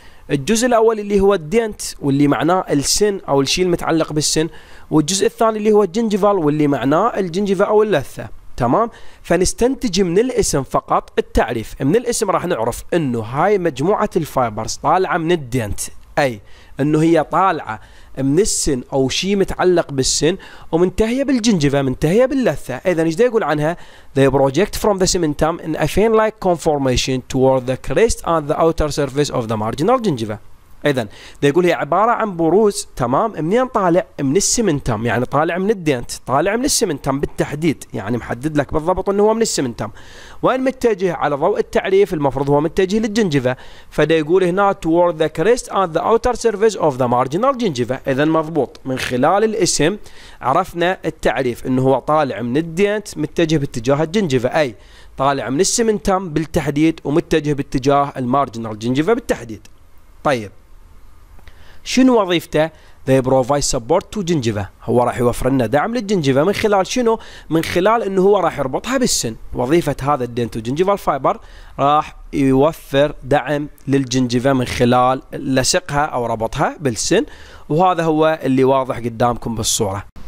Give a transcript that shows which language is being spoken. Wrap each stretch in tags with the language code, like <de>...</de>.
<ar>الجزء الأول اللي هو الدينت واللي معناه السن أو الشيء المتعلق بالسن، والجزء الثاني اللي هو الجنجيفال واللي معناه الجنجيفا أو اللثة، تمام؟ فنستنتج من الاسم فقط التعريف، من الاسم راح نعرف إنه هاي مجموعة الفايبرز طالعة من الدينت، أي إنه هي طالعة من السن أو شيء متعلق بالسن ومنتهية بالجنجيفا، منتهية باللثة. إذا إيش دا يقول عنها؟</ar> <en>They project from the cementum in a fan-like conformation toward the crest on the outer surface of the marginal gingiva.</en> <ar>إذا دا يقول هي عبارة عن بروز، تمام؟ منين طالع؟ من السمنتم، يعني طالع من الدينت، طالع من السمنتم بالتحديد، يعني محدد لك بالضبط إنه هو من السمنتم. وين متجه؟ على ضوء التعريف المفروض هو متجه للجنجيفا، فدا يقول هنا</ar> <en>toward the crest on the outer surface of the marginal gingiva.</en> <ar>إذا مضبوط، من خلال الاسم عرفنا التعريف إنه هو طالع من الدينت متجه باتجاه الجنجيفا، أي طالع من السمنتم بالتحديد ومتجه باتجاه المارجنال جنجيفا بالتحديد. طيب شنو وظيفته؟</ar> <en>They provide support to gingiva.</en> <ar>هو راح يوفر لنا دعم للجنجيفا من خلال شنو؟ من خلال انه هو راح يربطها بالسن. وظيفة هذا الدينتو جنجيفال فايبر راح يوفر دعم للجنجيفا من خلال لصقها او ربطها بالسن، وهذا هو اللي واضح قدامكم بالصورة.</ar>